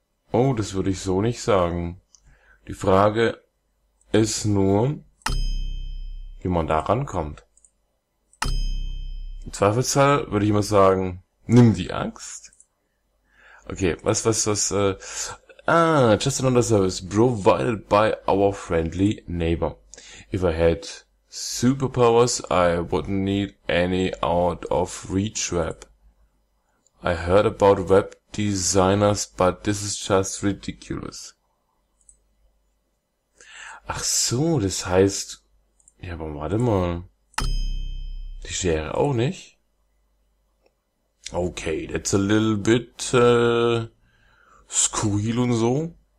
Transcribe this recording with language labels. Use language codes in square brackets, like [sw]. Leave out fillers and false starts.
[de] Oh, das würde ich so nicht sagen. Die Frage ist nur, wie man da rankommt. Im Zweifelsfall würde ich immer sagen, nimm die Axt. [en] Okay, just another service provided by our friendly neighbor. If I had superpowers, I wouldn't need any out of reach web. I heard about web designers, but this is just ridiculous. [de] Ach so, das heißt, ja, aber warte mal. Die Schere auch nicht. [en] Okay, that's a little bit [de] skurril und so.